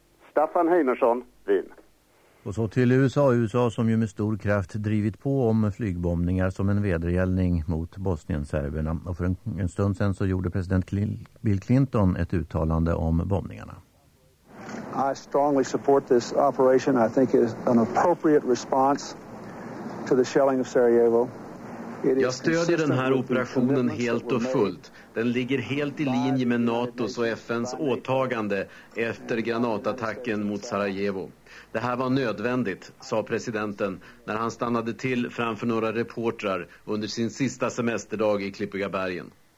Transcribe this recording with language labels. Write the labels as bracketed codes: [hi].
[sv] Staffan Heimersson, Wien. Och så till USA. USA som ju med stor kraft drivit på om flygbombningar som en vedergällning mot bosnienserberna. Och för en stund sen så gjorde president Bill Clinton ett uttalande om bombningarna. [en] I strongly support this operation. I think it is an appropriate response to the shelling of Sarajevo. [sv] Jag stödjer den här operationen helt och fullt. Den ligger helt i linje med NATOs och FNs åtagande efter granatattacken mot Sarajevo. Det här var nödvändigt, sa presidenten när han stannade till framför några reportrar under sin sista semesterdag i Klippiga bergen.